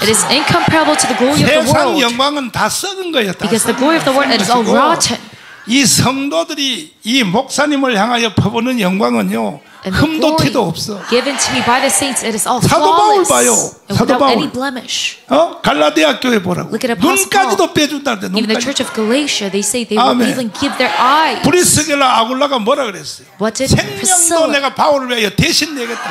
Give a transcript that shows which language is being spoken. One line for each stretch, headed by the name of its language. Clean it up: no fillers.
English: It is incomparable to the glory of the world.
Korean: 세상 영광은 다 썩은 거예요.
English: Because the glory of the world is all rotten.
Korean: 이 성도들이 이 목사님을 향하여 퍼붓는 영광은요 흠도 티도 없어.
English: Given to me by the saints, it is all flawless.
Korean: 사도 바울 봐요. 사도 바울.
English: Without any blemish.
Korean: 어 갈라디아 교회 보라고.
English: Look at Apostle Paul.
Korean: 눈까지도 빼준다는데 눈까지.
English: Even the church of Galatia, they say they will even give their eyes.
Korean: 브리스길라 아굴라가 뭐라 그랬어요?
English: What did
Korean: 생명도 내가 바울을 위하여 대신 내겠다.